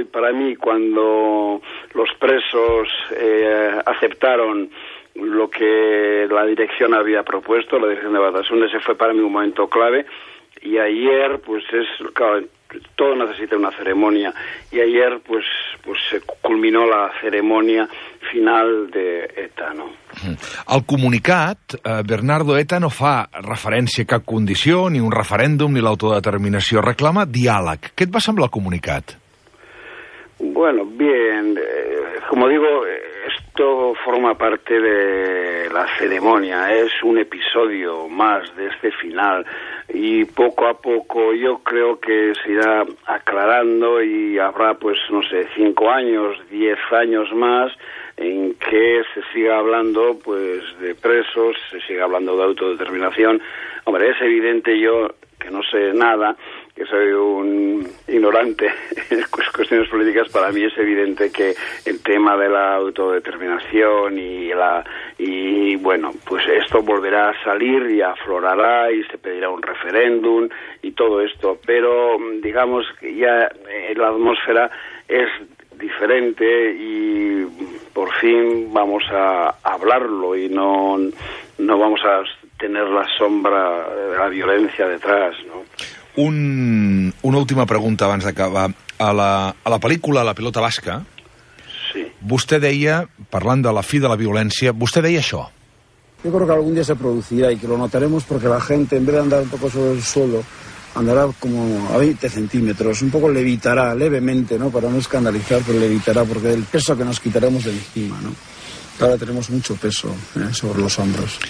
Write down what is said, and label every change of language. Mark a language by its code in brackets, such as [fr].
[es] Y para mí, cuando los presos aceptaron lo que la dirección había propuesto, la dirección de Batasuna, ese fue para mí un momento clave. Y ayer, pues es, claro, todo necesita una ceremonia, y ayer pues se culminó la ceremonia final de ETA, ¿no? [ca] El comunicat, Bernardo, ETA no fa referència a cap condició, ni un referèndum, ni l'autodeterminació, reclama diàleg. Què et va semblar el comunicat? [es] Bueno, bien, como digo, esto forma parte de la ceremonia, es un episodio más de este final, y poco a poco yo creo que se irá aclarando y habrá, pues, no sé, 5 años, 10 años más en que se siga hablando, pues, de presos, se siga hablando de autodeterminación. Hombre, es evidente, yo que no sé nada, que soy un ignorante en cuestiones políticas, para mí es evidente que el tema de la autodeterminación y bueno, pues esto volverá a salir y aflorará y se pedirá un referéndum y todo esto, pero digamos que ya la atmósfera es diferente y por fin vamos a hablarlo y no vamos a tener la sombra de la violencia detrás, ¿no? [ca] Una última pregunta abans d'acabar. A la pel·lícula La pilota basca, sí, vostè deia, parlant de la fi de la violència, vostè deia això. [es] Yo creo que algún día se producirá y que lo notaremos porque la gente, en vez de andar un poco sobre el suelo, andará como a 20 centímetros, un poco levitará levemente, ¿no?, para no escandalizar, pero levitará porque del peso que nos quitaremos de encima, ¿no? Ahora tenemos mucho peso sobre los hombros.